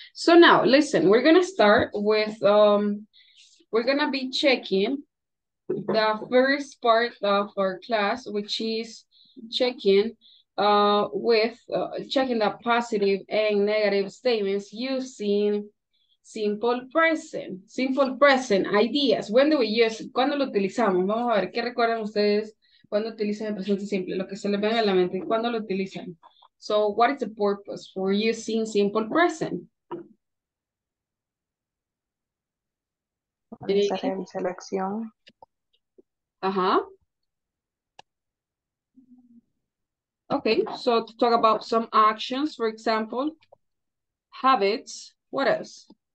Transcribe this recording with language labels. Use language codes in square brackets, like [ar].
[en] So now, listen, we're going to start with, we're going to be checking the first part of our class, which is checking checking the positive and negative statements using Simple present ideas. When do we use? [es] ¿Cuándo lo utilizamos? Vamos a ver, ¿qué recuerdan ustedes cuando utilizan el presente simple? Lo que se les venga a la mente, ¿cuándo lo utilizan? [en] So, what is the purpose for using simple present? [es] Selección. Ajá. Uh-huh. [en] Okay, so to talk about some actions, for example, habits, what else?